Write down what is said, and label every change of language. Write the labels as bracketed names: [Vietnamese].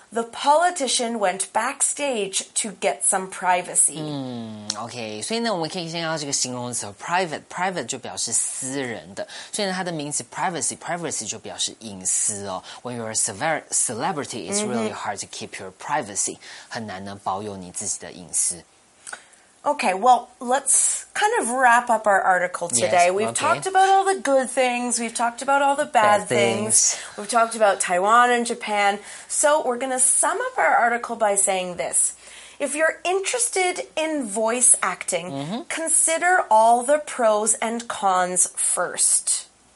[English] The politician went backstage to get some privacy. [Chinese] OK, 所以呢我们可以先看到这个形容词 private 就表示私人的。所以呢它的名词 privacy 就表示隐私哦。 [English] When you're a celebrity, it's really hard to keep your privacy. [Chinese] 很难呢保有你自己的隐私。 [English] OK, well, let's kind of wrap up our article today. Yes, we've talked about all the good things. We've talked about all the bad things. We've talked about Taiwan and Japan. So we're going to sum up our article by saying this. If you're interested in voice acting, consider all the pros and cons first.